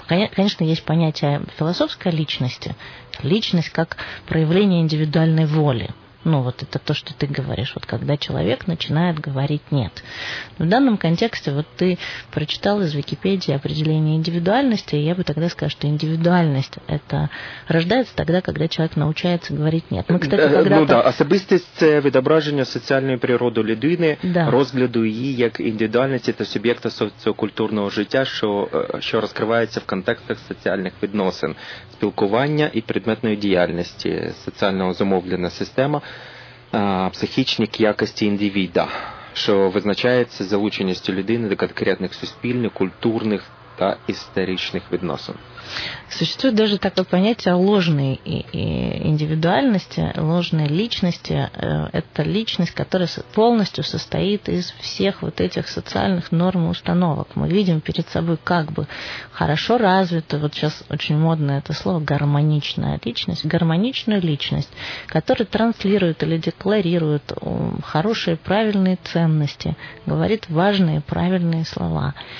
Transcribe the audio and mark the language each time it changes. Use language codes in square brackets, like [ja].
[ru] Конечно, есть понятие философской личности. Личность как проявление индивидуальной воли. Ну, вот это то, что ты говоришь, вот когда человек начинает говорить «нет». В данном контексте вот ты прочитал из Википедии определение индивидуальности, и я бы тогда сказала, что индивидуальность – это рождается тогда, когда человек научается говорить «нет». Мы, кстати, когда-то... Ну да, [uk] особистість – це відображення соціальної природи людини, [ru] да. [uk] Розгляду її як індивідуальності та суб'єкта соціокультурного життя, що розкривається в контекстах соціальних відносин, спілкування і предметної діяльності, соціально зумовлена система, психічні якості індивіда, що визначається залученістю людини до конкретних суспільних, культурних та історичних відносин. [ru] Существует даже такое понятие ложной индивидуальности, ложной личности. Это личность, которая полностью состоит из всех вот этих социальных норм и установок. Мы видим перед собой как бы хорошо развитую, вот сейчас очень модное это слово, гармоничная личность, гармоничную личность, которая транслирует или декларирует хорошие, правильные ценности, говорит важные, правильные слова.